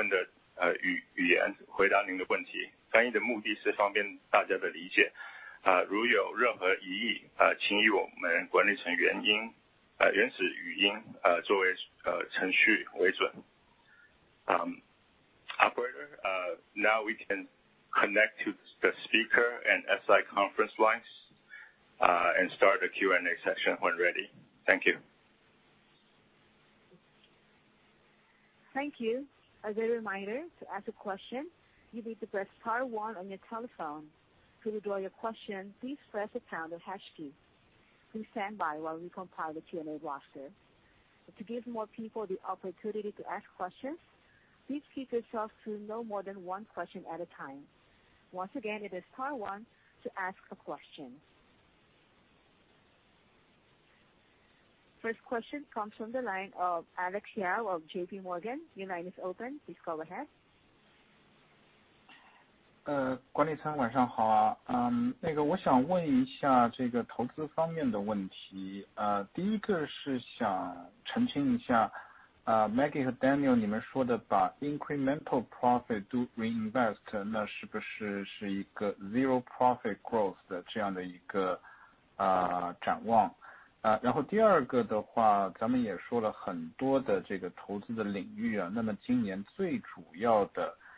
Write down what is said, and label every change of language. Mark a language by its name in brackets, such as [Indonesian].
[Chinese] 大家好,今天的电话会议欢迎您用中文或英文提问。我们会有第三方工作人员提供实时的翻译。我们管理层会按您提问的语言回答您的问题。翻译的目的是方便大家的理解。如有任何疑义，请以我们管理层原始语音作为程序为准。 [English] Operator, now we can connect to the speaker and SI conference lines and start the Q&A session when ready. Thank you. Thank you. As a reminder, to ask a question, you need to press star 1 on your telephone. To withdraw your question, please press the pound or hash key. Please stand by while we compile the Q&A roster. To give more people the opportunity to ask questions, please keep yourself to no more than one question at a time. Once again, it is star 1 to ask a question. First question comes from the line of Alex Yao of JP Morgan. Your line is open. Please go ahead. [Chinese] 管理层晚上好啊，我想问一下这个投资方面的问题，第一个是想澄清一下，Maggie 和 Daniel 你们说的把 [English] incremental profit do reinvest， [Chinese] 那是不是一个 [English] zero profit growth [Chinese] 的这样的一个展望，然后第二个的话，咱们也说了很多的这个投资的领域啊，那么今年最主要的。